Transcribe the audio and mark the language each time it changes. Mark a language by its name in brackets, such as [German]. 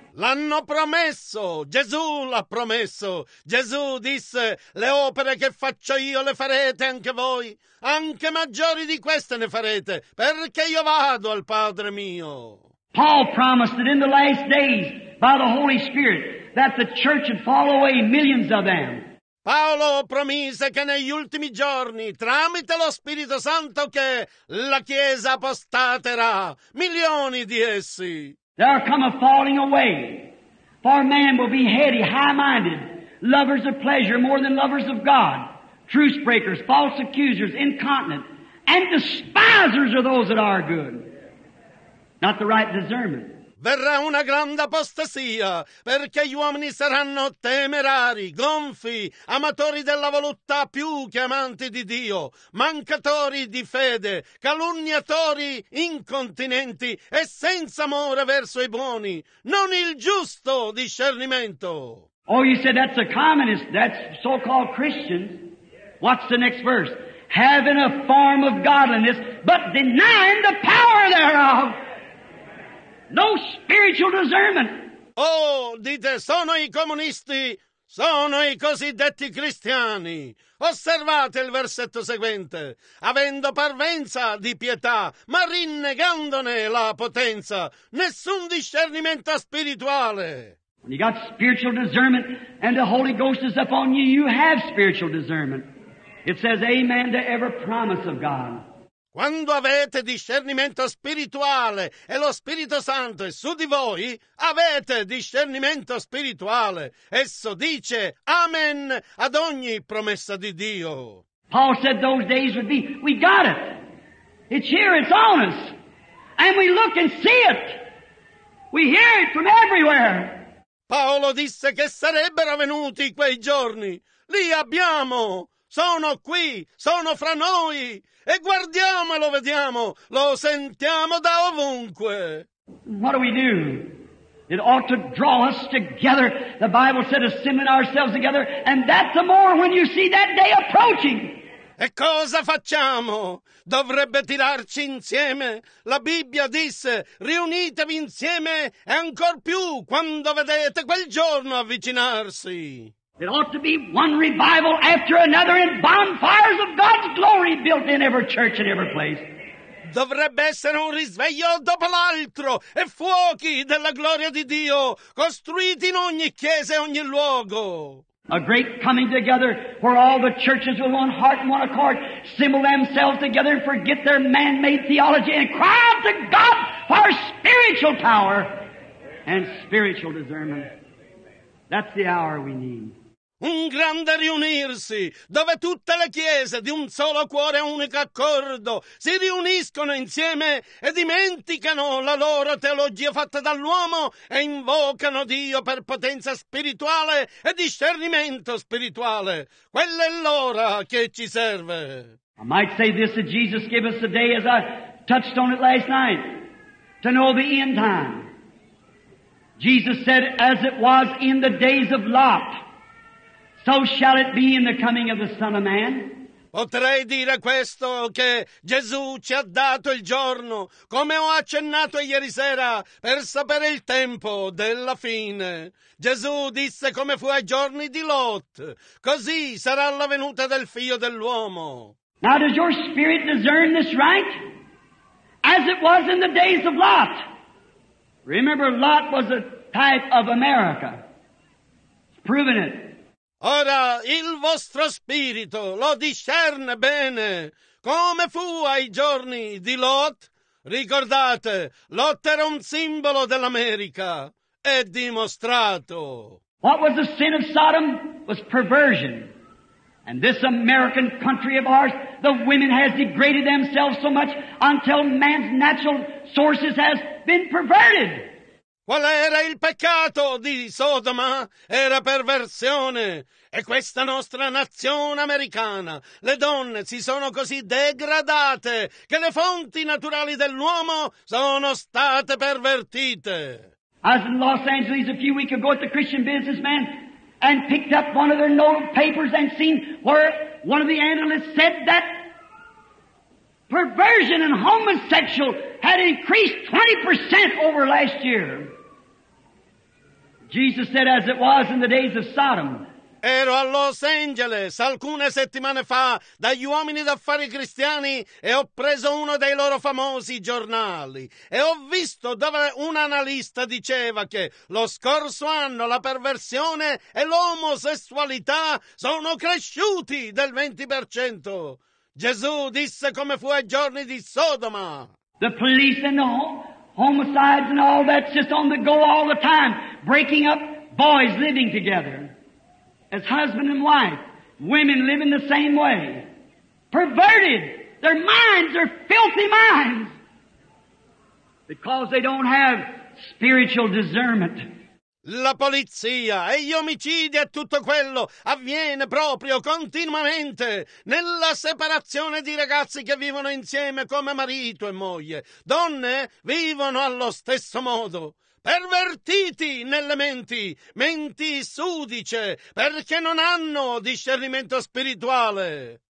[Italian] L'hanno promesso, Gesù l'ha promesso. Gesù disse: le opere che faccio io le farete anche voi. Anche maggiori di queste ne farete, perché io vado al Padre mio. [English] Paul promised that in the last days, by the Holy Spirit, that the church would fall away, millions of them. [Italian] Paolo promise che negli ultimi giorni, tramite lo Spirito Santo, che la Chiesa apostaterà, milioni di essi. [English] There will come a falling away, for man will be heady, high-minded, lovers of pleasure more than lovers of God, truce-breakers, false accusers, incontinent, and despisers of those that are good. Not the right discernment. [Italian] Verrà una grande apostasia, perché gli uomini saranno temerari, gonfi, amatori della voluttà più che amanti di Dio, mancatori di fede, calunniatori, incontinenti e senza amore verso i buoni, non il giusto discernimento. [English] Oh, you said that's a communist, that's so-called Christian. What's the next verse? Having a form of godliness, but denying the power thereof. No spiritual discernment. [Italian] Oh, dite, sono i comunisti, sono i cosiddetti cristiani. Osservate il versetto seguente. Avendo parvenza di pietà, ma rinnegandone la potenza, nessun discernimento spirituale. [English] When you got spiritual discernment and the Holy Ghost is upon you, you have spiritual discernment. It says amen to every promise of God. [Italian] Quando avete discernimento spirituale e lo Spirito Santo è su di voi, avete discernimento spirituale. Esso dice amen ad ogni promessa di Dio. [English] Paul said those days would be, we got it. It's here, it's on us. And we look and see it. We hear it from everywhere. [Italian] Paolo disse che sarebbero venuti quei giorni. Li abbiamo. Sono qui, sono fra noi, e guardiamo e lo vediamo, lo sentiamo da ovunque. [English] What do we do? It ought to draw us together. The Bible said, assembling ourselves together, and that the more when you see that day approaching. [Italian] E cosa facciamo? Dovrebbe tirarci insieme. La Bibbia disse, riunitevi insieme, e ancor più quando vedete quel giorno avvicinarsi. [English] It ought to be one revival after another in bonfires of God's glory built in every church and every place. [Italian] Dovrebbe essere un risveglio dopo l'altro e fuochi della gloria di Dio costruiti in ogni chiesa e ogni luogo. [English] A great coming together where all the churches with one heart and one accord assemble themselves together and forget their man-made theology and cry out to God for spiritual power and spiritual discernment. That's the hour we need. [Italian] Un grande riunirsi, dove tutte le chiese di un solo cuore e unico accordo si riuniscono insieme e dimenticano la loro teologia fatta dall'uomo e invocano Dio per potenza spirituale e discernimento spirituale. Quella è l'ora che ci serve. [English] I might say this that Jesus gave us today as I touched on it last night, to know the end time. Jesus said, as it was in the days of Lot, so shall it be in the coming of the Son of Man. [Italian] Potrei dire questo, che Gesù ci ha dato il giorno, come ho accennato ieri sera, per sapere il tempo della fine. Gesù disse come fu ai giorni di Lot, così sarà la venuta del Figlio dell'uomo. [English] Now does your spirit discern this right? As it was in the days of Lot. Remember, Lot was a type of America. It's proven it. [Italian] Ora, il vostro spirito lo discerne bene, come fu ai giorni di Lot? Ricordate, Lot era un simbolo dell'America, è dimostrato. [English] What was the sin of Sodom? Was perversion. And this American country of ours, the women has degraded themselves so much until man's natural sources has been perverted. [Italian] Qual era il peccato di Sodoma? Era perversione. E questa nostra nazione americana, le donne si sono così degradate che le fonti naturali dell'uomo sono state pervertite. [English] I was in Los Angeles a few weeks ago with the Christian businessman and picked up one of their note papers and seen where one of the analysts said that perversion and homosexual had increased 20% over last year. Jesus said, as it was in the days of Sodom. [Italian] Ero a Los Angeles alcune settimane fa dagli uomini d'affari cristiani e ho preso uno dei loro famosi giornali e ho visto dove un analista diceva che lo scorso anno la perversione e l'omosessualità sono cresciuti del 20%. Gesù disse come fu ai giorni di Sodoma. [English] The police and all, homicides and all that's just on the go all the time, breaking up boys living together. As husband and wife, women live in the same way. Perverted. Their minds are filthy minds. Because they don't have spiritual discernment. [Italian] La polizia e gli omicidi e tutto quello avviene proprio continuamente nella separazione di ragazzi che vivono insieme come marito e moglie. Donne vivono allo stesso modo. Pervertiti nelle menti, menti sudice, perché non hanno discernimento spirituale.